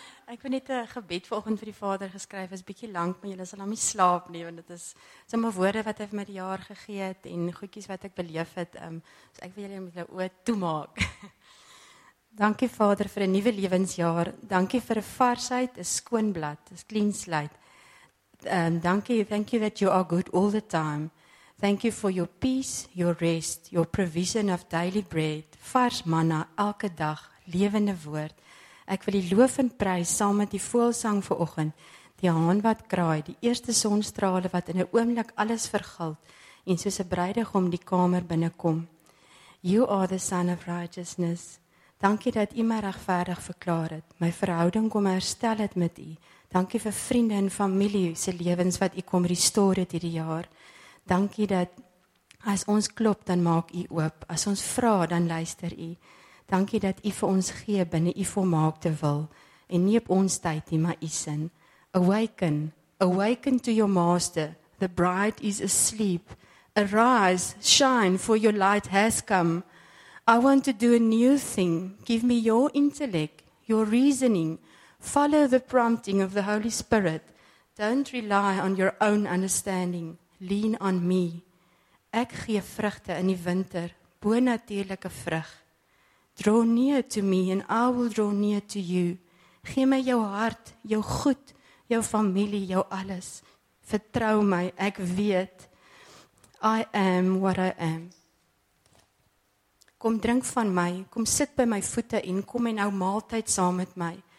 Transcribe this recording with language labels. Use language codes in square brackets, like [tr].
[af] Ek het net 'n gebed vanoggend vir die Vader geskryf. Is bietjie lank, maar julle sal hom nie slaap nie, want dit is sommer woorde wat hy vir my die jaar gegee het en goedjies wat ek beleef het. So ek wil julle met 'n oë toemaak. Dankie Vader vir 'n nuwe lewensjaar. Dankie vir 'n varsheid, 'n skoon blad, 'n [en] clean slate. Thank you that you are good all the time. Thank you for your peace, your rest, your provision of daily bread, [af] vars manna, elke dag, lewende woord. Ek wil die loof en prys saam met die voelsang vir oggend, die haan wat kraai, die eerste sonstrale wat in 'n oomblik alles vergild, en soos 'n bruidegom die kamer binnekom. [en] You are the Son of Righteousness. [af] Dankie dat u my regverdig verklaar het, my verhouding kom herstel het met u. Dankie vir vriende en familie se lewens wat u kom restore het hierdie jaar. Dankie dat as ons klop, dan maak u oop. As ons vra, dan luister u. Dankie dat u vir ons gee binne u volmaakte wil. En nie op ons tyd nie, maar u sin. [en] Awaken, awaken to your master. The bride is asleep. Arise, shine, for your light has come. I want to do a new thing. Give me your intellect, your reasoning. Follow the prompting of the Holy Spirit. Don't rely on your own understanding. Lean on me. [af] Ek gee vrugte in die winter, bonatuurlike vrug. [en] Draw near to me and I will draw near to you. [af] Gee my jou hart, jou goed, jou familie, jou alles. Vertrou my, ek weet. [en] I am what I am. [af] Kom drink van my, kom sit by my voete en kom en hou maaltyd saam met my.